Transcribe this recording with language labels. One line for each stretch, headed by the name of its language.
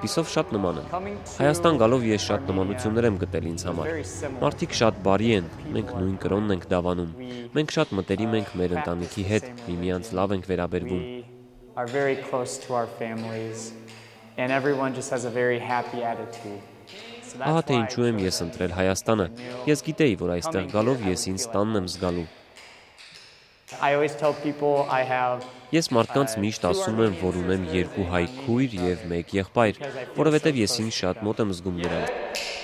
Armenian: Այդպիսով շատ նման են։ Հայաստան գալով ես շատ նմանություններ եմ գտել ինձ համար։ Մարդիկ շատ բարի են, մենք նույն կրոնն ենք դավանում։ Մենք շատ մտերիմ ենք մեր ընտանիքի հետ, միմյանց լավ ենք վերաբերվում։
English: We are very close to our families and everyone just has a very happy attitude.
Armenian: Ահա թե ինչու եմ ես ընտրել Հայաստանը։ Ես գիտեի, որ այստեղ գալով ես ինձ տանն եմ զգալու։
English: I always tell people I have
Armenian: Ես մարդկանց միշտ ասում եմ, որ ունեմ երկու հայ քույր եւ մեկ եղբայր, որովհետեւ ես ինձ շատ մոտ եմ զգում նրան։